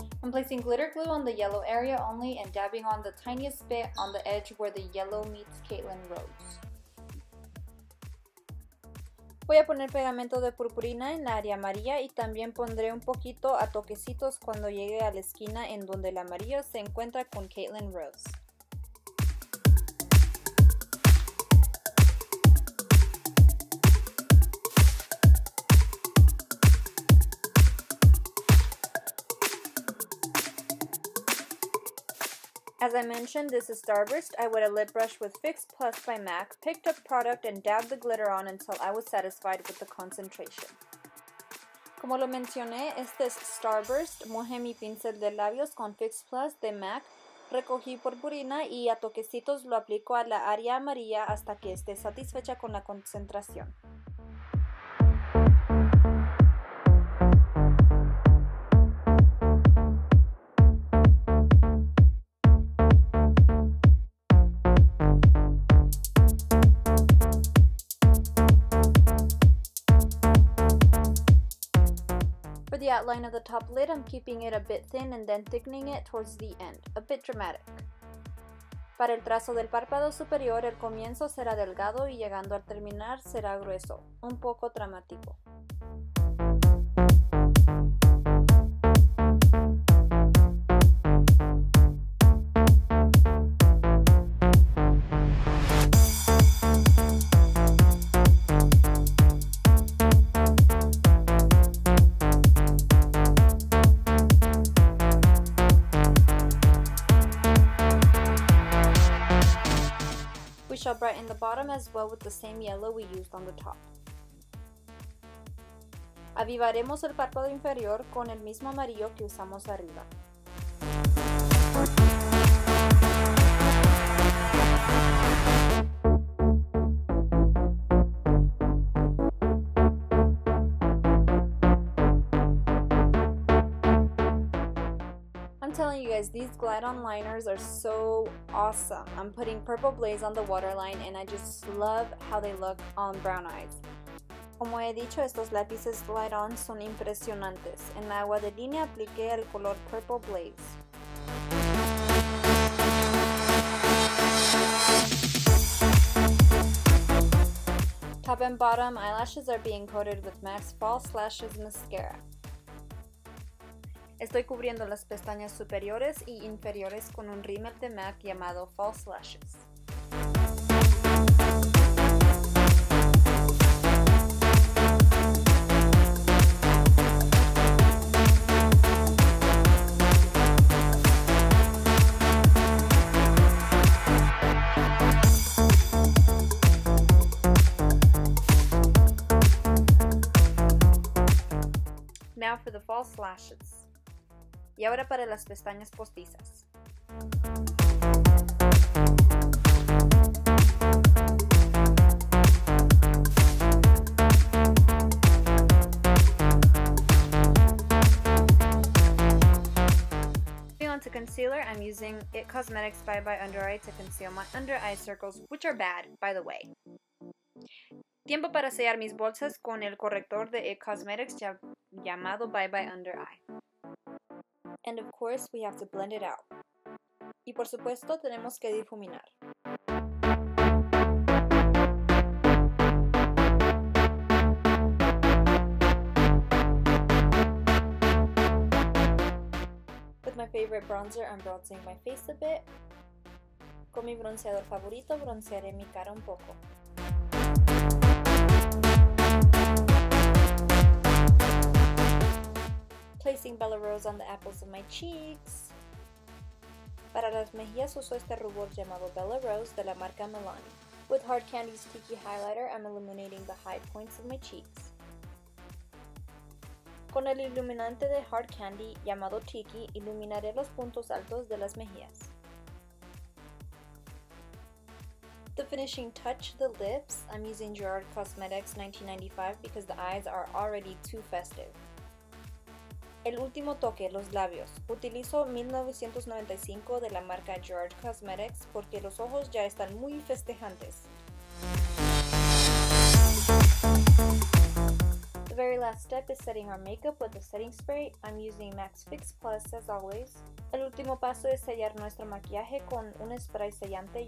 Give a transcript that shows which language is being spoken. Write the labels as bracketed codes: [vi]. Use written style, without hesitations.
[en] Placing glitter glue on the yellow area only and dabbing on the tiniest bit on the edge where the yellow meets Caitlyn Rose. [es] Voy a poner pegamento de purpurina en la área amarilla y también pondré un poquito a toquecitos cuando llegue a la esquina en donde el amarillo se encuentra con Caitlyn Rose. [en] As I mentioned, this is Starburst. I wet a lip brush with Fix Plus by MAC, picked up product, and dabbed the glitter on until I was satisfied with the concentration. [es] Como lo mencioné, este es Starburst, mojé mi pincel de labios con Fix Plus de MAC, recogí purpurina y a toquecitos lo aplico a la área amarilla hasta que esté satisfecha con la concentración. [en] For the outline of the top lid, I'm keeping it a bit thin and then thickening it towards the end, a bit dramatic. [es] Para el trazo del párpado superior, el comienzo será delgado y llegando al terminar será grueso, un poco dramático. [en] I'll brighten the bottom as well with the same yellow we used on the top. [es] Avivaremos el párpado inferior con el mismo amarillo que usamos arriba. [en] I'm telling you guys, these Glide On liners are so awesome. I'm putting Purple Blaze on the waterline and I just love how they look on brown eyes. [es] Como he dicho, estos lápices Glide On son impresionantes. En la agua de línea apliqué el color Purple Blaze. [en] Top and bottom eyelashes are being coated with MAC's False Lashes Mascara. [es] Estoy cubriendo las pestañas superiores y inferiores con un rímel de MAC llamado False Lashes. [en] Now for the false lashes. [es] Y ahora para las pestañas postizas. [en] Moving on to concealer, I'm using IT Cosmetics Bye Bye Under Eye to conceal my under eye circles, which are bad, by the way. [es] Tiempo para sellar mis bolsas con el corrector de IT Cosmetics llamado Bye Bye Under Eye. [en] And of course, we have to blend it out. [es] Y por supuesto, tenemos que difuminar. [en] With my favorite bronzer, I'm bronzing my face a bit. [es] Con mi bronceador favorito, broncearé mi cara un poco. [en] Placing Bella Rose on the apples of my cheeks. [es] Para las mejillas uso este rubor llamado Bella Rose de la marca Milani. [en] With Hard Candy's Tiki Highlighter, I'm illuminating the high points of my cheeks. [es] Con el iluminante de Hard Candy llamado Tiki, iluminaré los puntos altos de las mejillas. [en] The finishing touch, the lips, I'm using Girard Cosmetics 1995 because the eyes are already too festive. [es] El último toque, los labios. Utilizo 1995 de la marca Girard Cosmetics porque los ojos ya están muy festejantes. [en] The very last step is setting our makeup with a setting spray. I'm using MAC's Fix Plus as always. [es] El último paso es sellar nuestro maquillaje con un spray sellante.